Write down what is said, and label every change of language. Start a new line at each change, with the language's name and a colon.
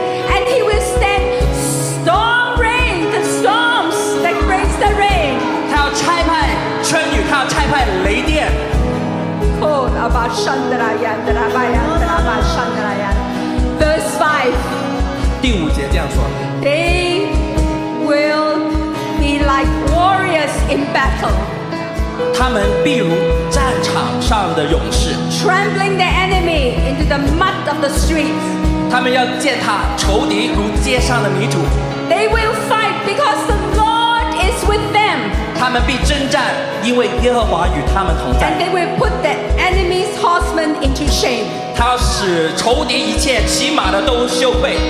English: And he will send storm rain, the storms that brings the rain.
Chinese: 他要差派春雨，他要差派雷电。
English: Oh, Abba Shandrayan, Abba Shandrayan. Verse 5.
Chinese: 第五节这样说。
English: They will. Like warriors in battle,
Chinese: 他们必如战场上的勇士
English: trampling the enemy into the mud of the streets.
Chinese: 他们要践踏仇敌如街上的泥土
English: They will fight because the Lord is with them.
Chinese: 他们必征战，因为耶和华与他们同在
English: And they will put the enemy's horsemen into shame.
Chinese: 他使仇敌一切骑马的都羞愧